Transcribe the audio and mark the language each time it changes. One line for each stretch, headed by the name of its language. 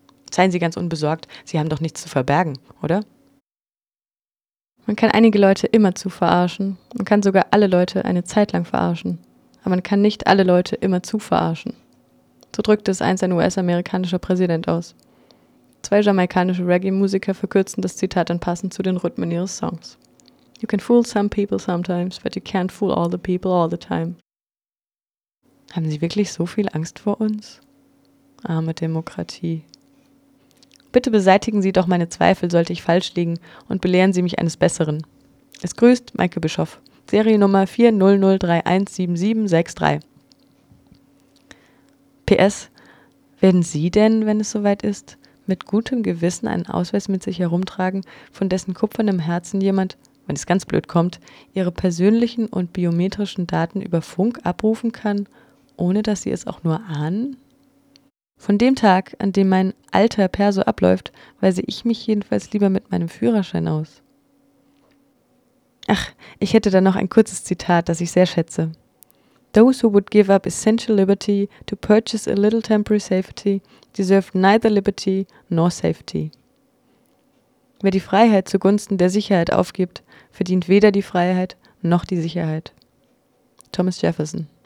German: Seien Sie ganz unbesorgt, Sie haben doch nichts zu verbergen, oder? Man kann einige Leute immerzu verarschen. Man kann sogar alle Leute eine Zeit lang verarschen. Aber man kann nicht alle Leute immerzu verarschen. So drückte es einst ein US-amerikanischer Präsident aus. Zwei jamaikanische Reggae-Musiker verkürzen das Zitat dann passend zu den Rhythmen ihres Songs.
English: You can fool some people sometimes, but you can't fool all the people all the time.
German: Haben Sie wirklich so viel Angst vor uns? Arme Demokratie. Bitte beseitigen Sie doch meine Zweifel, sollte ich falsch liegen, und belehren Sie mich eines Besseren. Es grüßt Maike Bischoff, Seriennummer 40031-7763. PS, werden Sie denn, wenn es soweit ist, mit gutem Gewissen einen Ausweis mit sich herumtragen, von dessen kupfernem Herzen jemand, wenn es ganz blöd kommt, Ihre persönlichen und biometrischen Daten über Funk abrufen kann, ohne dass Sie es auch nur ahnen? Von dem Tag, an dem mein alter Perso abläuft, weise ich mich jedenfalls lieber mit meinem Führerschein aus. Ach, ich hätte da noch ein kurzes Zitat, das ich sehr schätze.
English: Those who would give up essential liberty to purchase a little temporary safety deserve neither liberty nor safety.
German: Wer die Freiheit zugunsten der Sicherheit aufgibt, verdient weder die Freiheit noch die Sicherheit. Thomas Jefferson.